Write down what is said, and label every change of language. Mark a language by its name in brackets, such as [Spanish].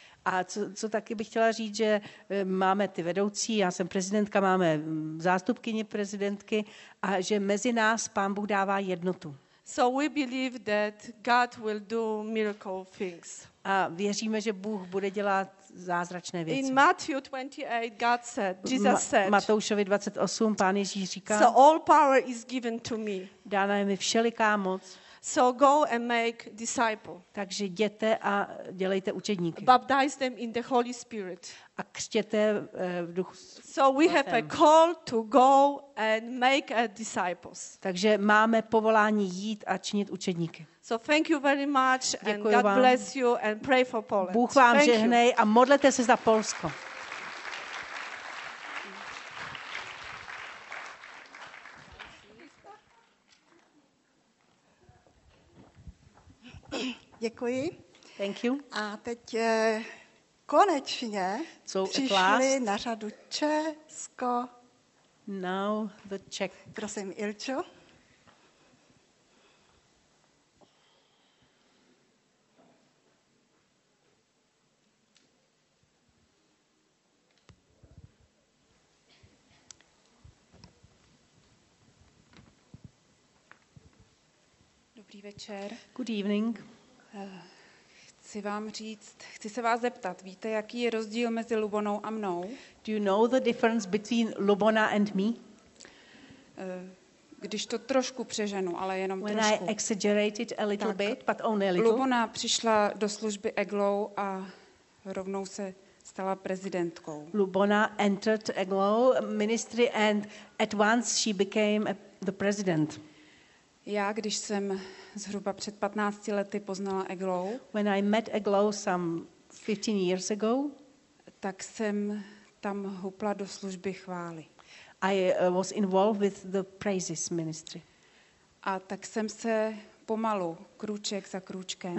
[Czech] A co taky bych chtěla říct, že máme ty vedoucí, já jsem prezidentka, máme zástupkyni prezidentky a že mezi nás Pán Bůh dává jednotu. [English] So we believe that God will do miracle things. [Czech] A věříme, že Bůh bude dělat zázračné věci. [English] In Matthew 28, God said, Jesus said. [Czech] Matoušovi 28, Pán Ježíš říká. [English] So all power is given to me. [Czech] Dána je mi všeliká moc. [English] So go and make disciples. [Czech] Takže jděte a dělejte učedníky. [English] Baptize them in the Holy Spirit. [Czech] A křtěte v Duchu Svatém. [English] So we have a call to go and make a disciples. [Czech] Takže máme povolání jít a činit učedníky. [English] So thank you very much and God bless you and pray for Poland. [Czech] Bůh vám žehnej a modlete se za Polsko. Děkuji. [English] Thank you. [Czech] A teď konečně přišli na řadu Česko. [English] Now the Czech. [Czech] Prosím, Ilčo. Dobrý večer. [English] Good evening. [Czech] Chci vám říct, chci se vás zeptat, víte, jaký je rozdíl mezi Lubonou a mnou? [English] Do you know the difference between Lubona and me? [Czech] Když to trošku přeženu, ale jenom [English] when [Czech] trošku. [English] When I exaggerated a little [Czech] tak, [English] bit, but only a little. [Czech] Lubona přišla do služby Eglow a rovnou se stala prezidentkou. [English] Lubona entered Eglow ministry and at once she became the president. [Czech] Já, když jsem zhruba před 15 lety poznala Eglow. [English] When I met Eglow some 15 years ago, [Czech] tak jsem tam hupla do služby chvály. [English] I was involved with the praises ministry. [Czech] A tak jsem se pomalu, krůček za krůčkem.